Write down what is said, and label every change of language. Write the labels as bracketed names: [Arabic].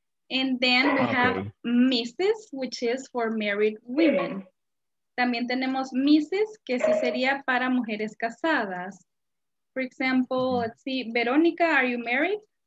[English] And then we have Mrs., which is for married women. [Spanish] También tenemos Mrs., que sí sería para mujeres casadas. [English] For example, let's see, Veronica, are you married?